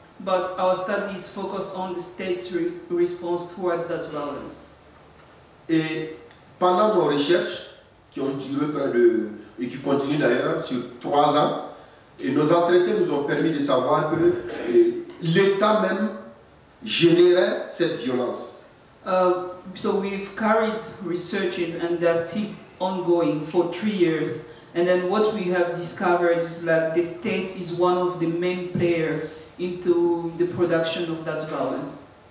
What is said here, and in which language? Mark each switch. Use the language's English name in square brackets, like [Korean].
[English] But our study is focused on the state's response towards that violence. [French] Et pendant nos recherches, qui ont duré près de et qui continuent d'ailleurs sur 3 ans, et nos entretiens nous ont permis de savoir que l'État même générait cette violence. [English] So we've carried researches and they're still ongoing for 3 years. And then what we have discovered is that the state is one of the main players into the production of that violence.